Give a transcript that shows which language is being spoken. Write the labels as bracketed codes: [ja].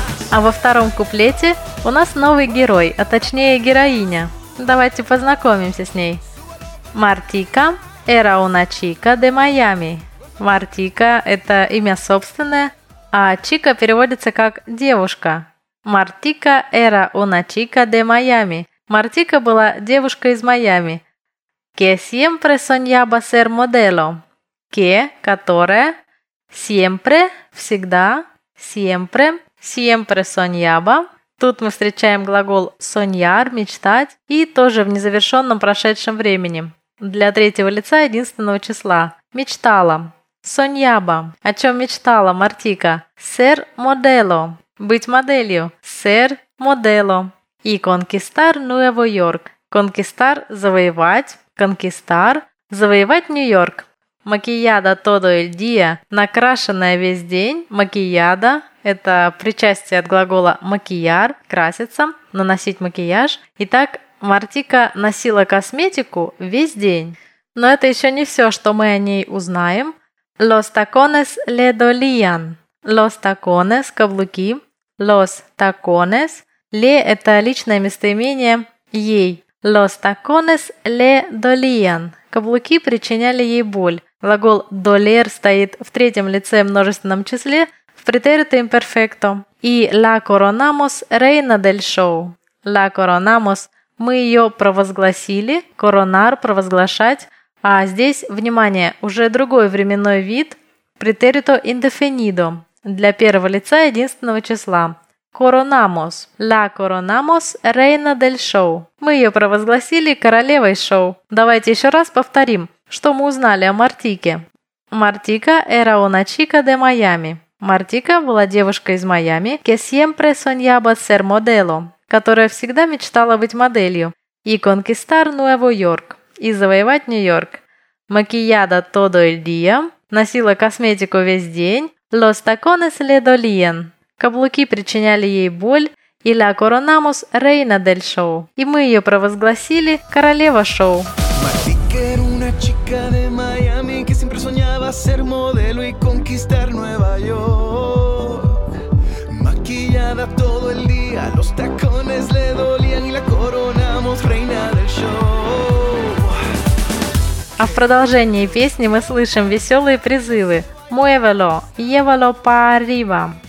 [ru] А во втором куплете у нас новый герой, а точнее героиня. Давайте познакомимся с ней. [es] Мартика era una chica de Miami. [ru] Мартика – это имя собственное, а чика переводится как «девушка». Мартика [es] era una chica de Miami. [ru] Мартика была девушкой из Майами. [es] Que siempre soñaba ser modelo. Que, [ru] которая, [es] siempre, [ru] всегда, [es] siempre, siempre soñaba. [ru] Тут мы встречаем глагол soñar, мечтать, и тоже в незавершенном прошедшем времени. Для третьего лица единственного числа. Мечтала. Soñaba. О чем мечтала Мартика? [es] Ser modelo. [ru] Быть моделью. [es] Ser modelo. И conquistar Nuevo York. [ru] Conquistar – завоевать. Conquistar – завоевать Нью-Йорк. [es] Макияда todo el día – [ru] накрашенная весь день. Макияда – это причастие от глагола макияр – краситься, наносить макияж. Итак, Мартика носила косметику весь день. Но это еще не все, что мы о ней узнаем. [es] Los tacones le dolían. Los tacones – каблуки. Los tacones [ru] – le – это личное местоимение ей. [es] Los tacones le dolían. [ru] Каблуки причиняли ей боль. Глагол doler стоит в третьем лице множественном числе в претерито имперфекто. [es] И la coronamos reina del show. La coronamos. [ru] Мы ее провозгласили. Coronar – провозглашать. А здесь, внимание, уже другой временной вид. Претерито indefinido. Для первого лица единственного числа. [es] Coronamos. La coronamos reina del show. [ru] Мы ее провозгласили королевой шоу. Давайте еще раз повторим, что мы узнали о Мартике. [es] Мартика era una chica de Miami. [ru] Мартика была девушкой из Майами, [es] que siempre soñaba ser modelo, [ru] которая всегда мечтала быть моделью. [es] Y conquistar Nuevo York. [ru] И завоевать Нью-Йорк. [es] Maquillada todo el día. [ru] Носила косметику весь день. [es] Los tacones le dolían. [ru] Каблуки причиняли ей боль, и [es] la coronamos reina del show. [ru] И мы ее провозгласили королева шоу. [es] Мартика era una chica de Miami que siempre soñaba ser modelo y conquistar Nueva York. Maquillada todo el día, los tacones le dolían y la coronamos reina del show. [ru] А в продолжении песни мы слышим веселые призывы. [es] Muévelo, llévalo para arriba.